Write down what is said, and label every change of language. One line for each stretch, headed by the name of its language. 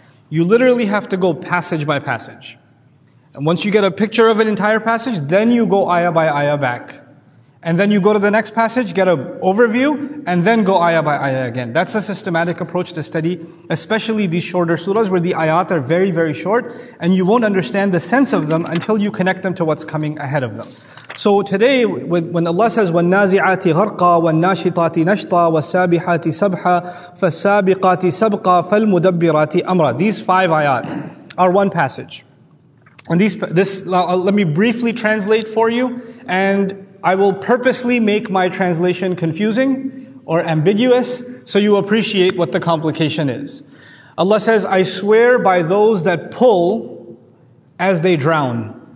English: You literally have to go passage by passage. And once you get a picture of an entire passage, then you go ayah by ayah back. And then you go to the next passage, get an overview, and then go ayah by ayah again. That's a systematic approach to study, especially these shorter surahs where the ayat are very, very short, and you won't understand the sense of them until you connect them to what's coming ahead of them.
Arabic: So today, when Allah says, وَالنَّازِعَاتِ غَرْقَى وَالنَّاشِطَاتِ نَشْطَى وَالسَّابِحَاتِ سَبْحَى فَالسَّابِقَاتِ سَبْقَى فَالْمُدَبِّرَاتِ أَمْرَى.
English: These five ayat are one passage. And let me briefly translate for you, and I will purposely make my translation confusing or ambiguous so you appreciate what the complication is. Allah says, I swear by those that pull as they drown.